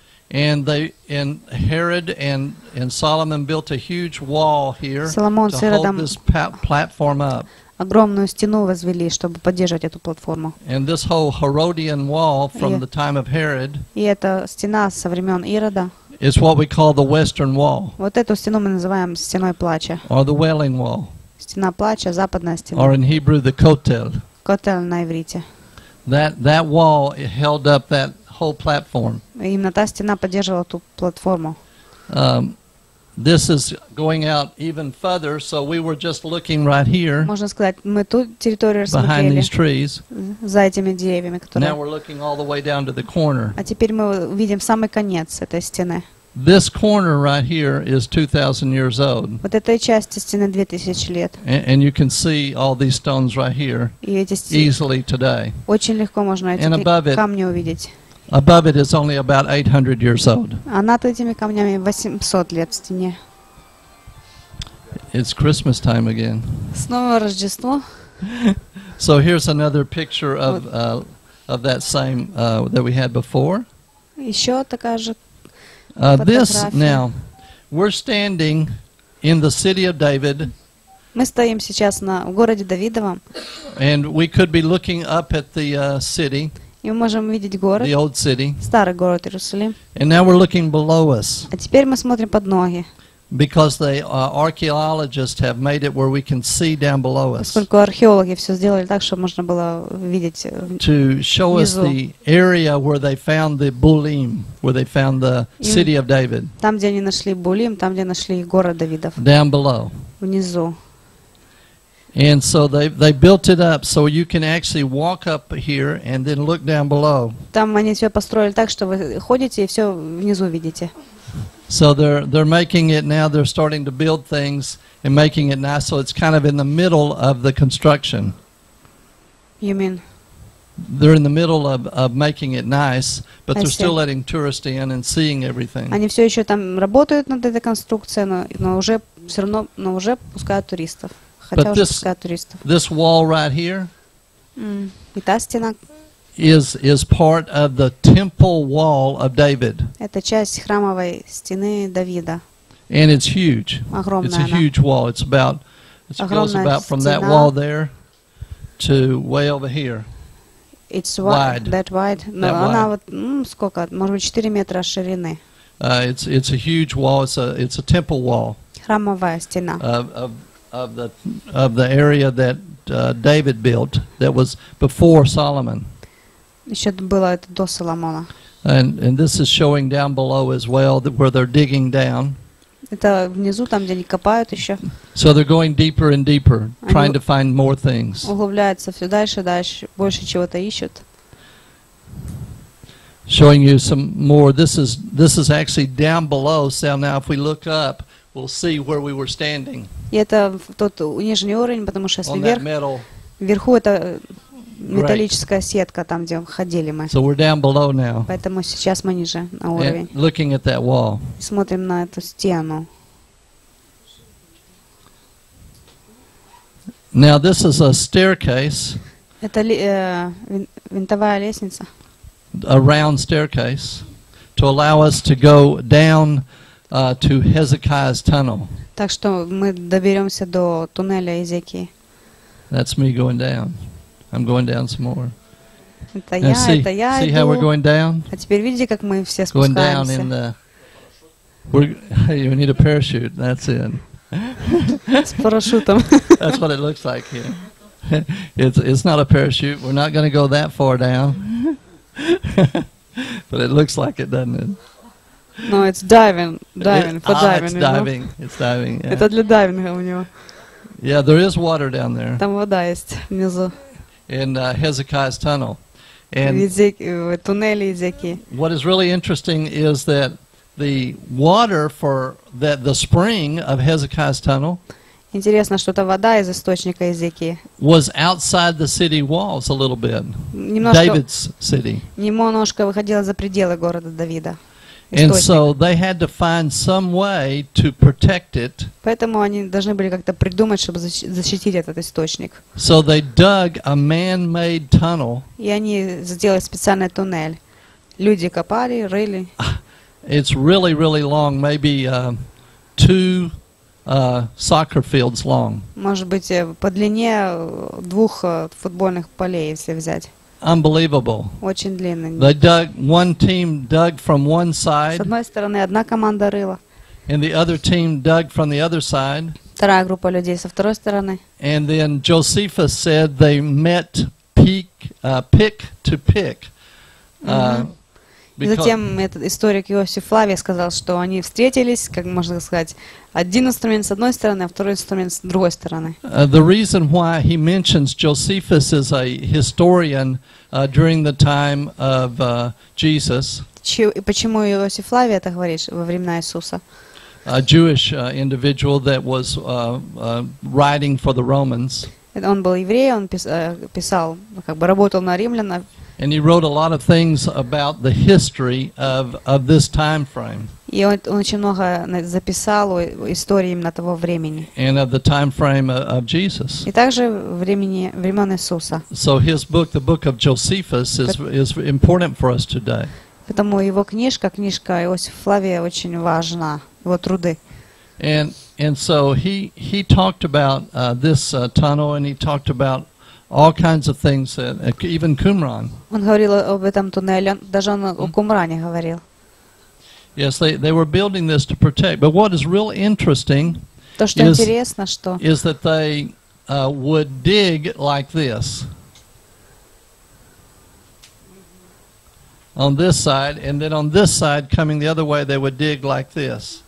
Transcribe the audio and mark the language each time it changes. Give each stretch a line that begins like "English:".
English: And Herod and Solomon built a huge wall here.
Russian: Соломон с Иродом
English: to hold this platform up.
Russian: Огромную стену возвели, чтобы поддерживать эту платформу.
English: And this whole Herodian wall from the time of Herod.
Russian: И эта стена со времен Ирода.
English: Is what we call the Western Wall.
Russian: Вот эту стену мы называем стеной плача.
English: Or the Wailing Wall.
Russian: Стена плача, западная стена.
English: Or in Hebrew the Kotel.
Russian: Kotel на иврите.
English: That wall held up that whole platform.
Russian: Именно та стена поддерживала ту платформу.
English: This is going out even further, so we were just looking right here.
Russian: Можно сказать, мы ту территорию смотрели.
English: Behind these trees.
Russian: За этими деревьями, которые.
English: Now we're looking all the way down to the corner.
Russian: А теперь мы видим самый конец этой стены.
English: This corner right here is 2,000 years old.
Russian: Вот этой части стены 2,000 лет.
English: And you can see all these stones right here easily today.
Russian: Очень легко можно эти камни увидеть.
English: Above it is only about 800 years old.
Russian: А над этими камнями 800 лет в стене.
English: It's Christmas time again.
Russian: Снова Рождество.
English: So here's another picture of that same that we had before.
Russian: Еще такая же.
English: This now, we're standing in the city of David.
Russian: Мы стоим сейчас на городе Давидовом.
English: And we could be looking up at the city.
Russian: И мы можем видеть город,
English: the old city.
Russian: Старый город Иерусалим.
English: And now we're looking below us.
Russian: А теперь мы смотрим под ноги.
English: Because the archaeologists have made it where we can see down below us.
Russian: Поскольку археологи все сделали так, чтобы можно было видеть внизу.
English: To show us the area where they found the Булим, where they found the city of David.
Russian: Там, где они нашли Булим, там, где нашли город Давидов.
English: Down below.
Russian: Внизу.
English: And so they built it up so you can actually walk up here and then look down below.
Russian: Там они все построили так, что вы ходите и все внизу видите.
English: So they're making it now. They're starting to build things and making it nice. So it's kind of in the middle of the construction. You mean? They're in the middle of making it nice, but they're still letting tourists in and seeing everything.
Russian: Они все еще там работают над этой конструкцией, но уже все равно, но уже пускают туристов.
English: But this wall right here is part of the temple wall of David.
Russian: Это часть храмовой стены Давида.
English: And it's huge.
Russian: Огромная
English: it's a huge wall. It's about it goes about from
Russian: стена.
English: That wall there to way over here. It's wide. That wide. That
Russian: она
English: wide.
Russian: Вот, сколько, может быть, 4 метра ширины.
English: It's a huge wall. It's a temple wall.
Russian: Храмовая стена.
English: Of the area that David built that was before Solomon.
Russian: Еще было это до Соломона.
English: And this is showing down below as well that where they're digging down.
Russian: Это внизу там, где они копают еще.
English: So they're going deeper and deeper, trying to find more things.
Russian: Углубляются все дальше, дальше, больше чего-то ищут.
English: Showing you some more. This is actually down below. So now if we look up. We'll see where we were standing.
Russian: И это тот нижний уровень, потому что если вверху это металлическая сетка, там где ходили мы.
English: So we're down below now.
Russian: Поэтому сейчас мы ниже на уровень.
English: And looking at that wall.
Russian: Смотрим на эту стену.
English: Now this is a staircase.
Russian: Это винтовая лестница.
English: A round staircase to allow us to go down. To Hezekiah's tunnel.
Russian: Так что мы доберемся до туннеля Иезекии.
English: That's me going down. I'm going down some more.
Russian: Это я, это я.
English: See how we're going down?
Russian: А теперь видите, как мы все спускаемся.
English: Going down in the. You need a parachute. That's it.
Russian: С парашютом.
English: That's what it looks like here. It's not a parachute. We're not going to go that far down. But it looks like it, doesn't it? No, it's diving, for diving. It's diving, it's diving, yeah.
Russian: Это для дайвинга у него.
English: Yeah, there is water down there.
Russian: Там вода есть внизу.
English: In Hezekiah's tunnel.
Russian: В туннеле Иезекии.
English: What is really interesting is that the water for that the spring of Hezekiah's tunnel.
Russian: Интересно, что это вода из источника Иезекии.
English: Was outside the city walls a little bit. David's city.
Russian: Немножко выходила за пределы города Давида.
English: And so they had to find some way to protect it.
Russian: Поэтому они должны были как-то придумать, чтобы защитить этот источник.
English: So they dug a man-made tunnel.
Russian: И они сделали специальный туннель. Люди копали, рыли.
English: It's really, really long, maybe two soccer fields long.
Russian: Может быть, по длине двух футбольных полей, если взять.
English: Unbelievable.
Russian: Очень длинный.
English: They dug. One team dug from one side.
Russian: С одной стороны одна команда рыла.
English: And the other team dug from the other side.
Russian: Вторая группа людей со второй стороны.
English: And then Josephus said they met peak pick to pick.
Russian: И затем этот историк Иосиф Флавий сказал, что они встретились, как можно сказать, один инструмент с одной стороны, а второй инструмент с другой стороны.
English: The reason why he mentions Josephus as a historian during the time of Jesus.
Russian: И почему Иосиф Флавий это говорит во времена Иисуса?
English: A Jewish individual that was writing for the Romans.
Russian: Он был еврей, он писал, как бы работал на римлян.
English: And he wrote a lot of things about the history of this time frame.
Russian: И он очень много записал истории именно того времени.
English: And of the time frame of Jesus.
Russian: И также времен Иисуса.
English: So his book, the book of Josephus, is important for us today.
Russian: Поэтому его книжка Иосифа Флавия очень важна, его труды.
English: And so he talked about this tunnel, and he talked about all kinds of things, even Qumran.
Russian: Он говорил об этом туннеле, даже он о Кумране говорил.
English: Yes, they were building this to protect. But what is real interesting is that they would dig like this. On this side, and then on this side, coming the other way, they would dig like this.